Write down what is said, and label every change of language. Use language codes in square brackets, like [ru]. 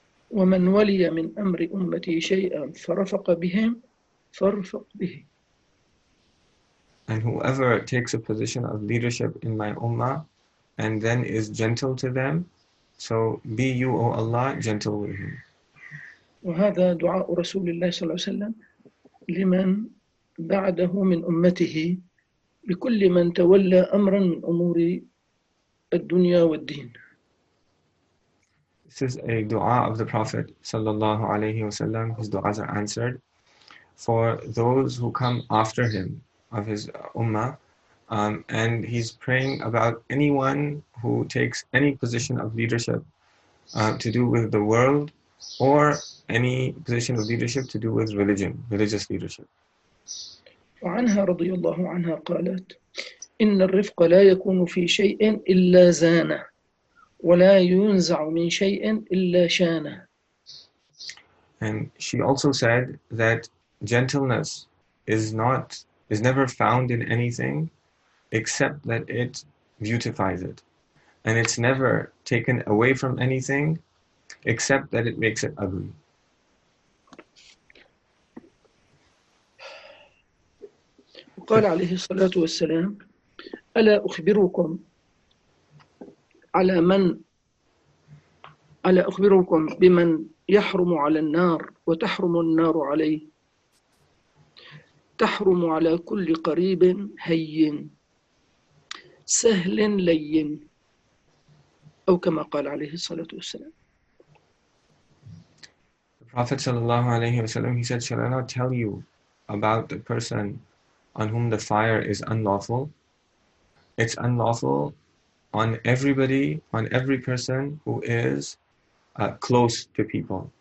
[ar] وَمَنْ وَلِيَ مِنْ أَمْرِ أُمَّتِي شَيْئًا فَرَفَقَ بِهِمْ فَرْفَقْ بِهِ. [en] And whoever takes a position of leadership in my ummah and then is gentle to them, so be you, O Allah, gentle with him. [ar] وهذا دعاء رسول الله صلى الله عليه وسلم لمن بعده من أمته لكل من تولى أمرا من أمور الدنيا والدين. [en] This is a dua of the Prophet sallallahu alayhi wa sallam. His du'as are answered for those who come after him of his ummah. And he's praying about anyone who takes any position of leadership to do with the world or any position of leadership to do with religion, religious leadership. [ar] وعنها رضي الله عنها قالت إن الرفق لا يكون في شيء إلا زانة ولا ينزع من شيء إلا شانة. [en] And she also said that gentleness is never found in anything except that it beautifies it. And it's never taken away from anything except that it makes it ugly. [ar] وقال عليه الصلاة والسلام ألا أخبركم على من ألا أخبركم بمن يحرم على النار وتحرم النار عليه تحرم على كل قريب هين سهل لين أو كما قال عليه الصلاة والسلام. [en] The Prophet [ar] صلى الله عليه وسلم, [en] he said, shall I not tell you about the person on whom the fire is unlawful? It's unlawful on everybody, on every person who is close to people.